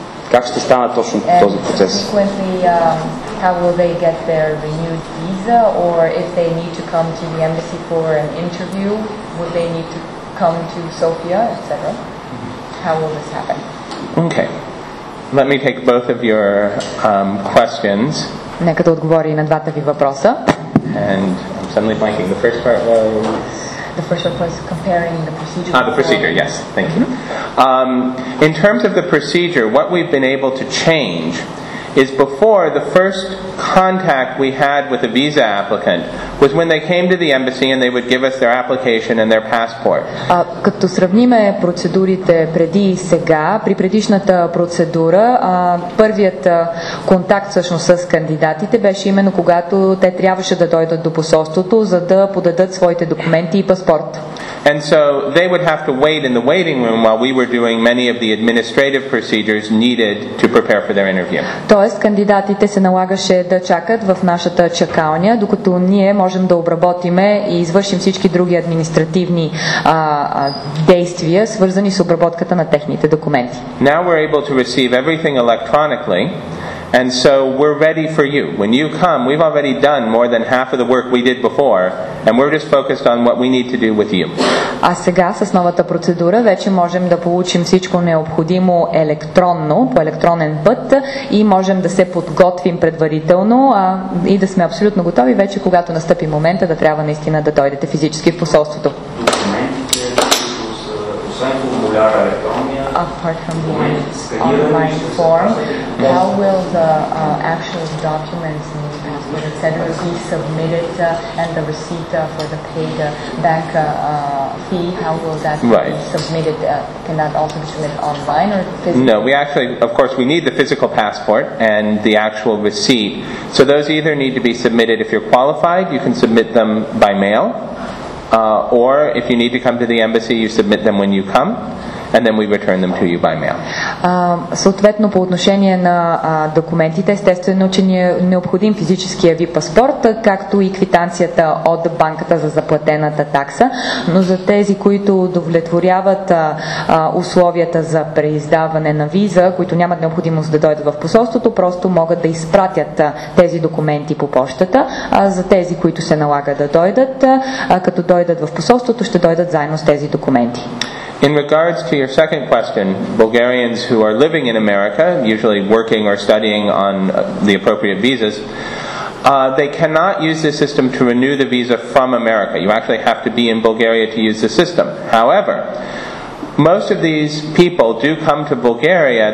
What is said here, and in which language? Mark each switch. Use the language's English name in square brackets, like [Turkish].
[Bulgarian] Как ще стане точно този процес? [English] How will they get their renewed visa, or if they need to come to the embassy for an interview, would they need to come to Sofia, etc.? How will this happen? Okay. Let me take both of your questions. [Bulgarian] Нека да отговори на двата ви въпроса. [English] And I'm suddenly blanking. The first part was... The first part was comparing the procedure. The procedure, yes. Thank you. Mm-hmm. In terms of the procedure, what we've been able to change is before the first contact we had with a visa applicant was when they came to the embassy and they would give us their application and their passport. [Bulgarian] Като сравниме процедурите преди и сега, при предишната процедура, първият контакт всъщност с кандидатите беше именно когато те трябваше да дойдат до посолството, за да подадат своите документи и паспорт. [English] And so they would have to wait in the waiting room while we were doing many of the administrative procedures needed to prepare for their interview. [Bulgarian] Тоест кандидатите се налагаше да чакат в нашата чакалня, докато ние можем да обработиме и извършим всички други административни действия, свързани с обработката на техните документи. [English] Now we're able to receive everything electronically. And so we're ready for you. When you come, we've already done more than half of the work we did before, and we're just focused on what we need to do with you. [Bulgarian] А сега с новата процедура вече можем да получим всичко необходимо електронно, по електронен път, и можем да се подготвим предварително, и да сме абсолютно готови вече когато настъпи момента да трябва наистина да дойдете физически в посолството. [English] Apart from the online form, how will the actual documents, passport, etc., be submitted, and the receipt for the paid bank fee? How will that right. be submitted? Can that also be submitted online or physically? No, we actually, of course, we need the physical passport and the actual receipt. So those either need to be submitted. If you're qualified, you can submit them by mail. Or if you need to come to the embassy, you submit them when you come, and then we return them to you by mail. [Bulgarian] Съответно, по отношение на документите, естествено, че ни е необходим физическия ви паспорт, както и квитанцията от банката за заплатената такса, но за тези, които удовлетворяват условията за преиздаване на виза, които нямат необходимост да дойдат в посолството, просто могат да изпратят тези документи по почтата, а за тези, които се налага да дойдат, като дойдат в посолството, ще дойдат заедно с тези документи. [English] In regards to your second question, Bulgarians who are living in America, usually working or studying on the appropriate visas, they cannot use this system to renew the visa from America. You actually have to be in Bulgaria to use the system. However, most of these people do come to Bulgaria.